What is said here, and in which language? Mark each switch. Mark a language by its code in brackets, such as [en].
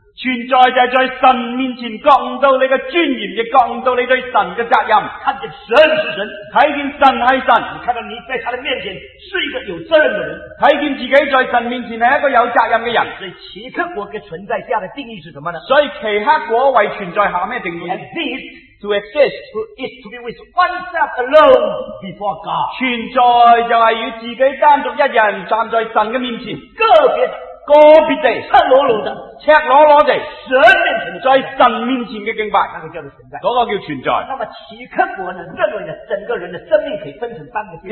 [zh] 存在就是在神面前觉悟到你的尊严，也觉悟到你对神的责任。看见神是神，看见神是神，你看到你在他的面前是一个有责任的人，看见自己在神面前是一个有责任的人。所以其他国的存在下的定义是什么呢？所以其他国为存在下什么定义？ [en] Exist to exist to is to be with oneself alone before God。 [zh] 存在就是要自己单独一人站在神的面前，个别的个别地赤裸裸的，赤裸裸地神面前，在神面前的敬拜，那个叫做存在，那个叫存在。那么其他国呢，认为整个人的生命可以分成三个阶段。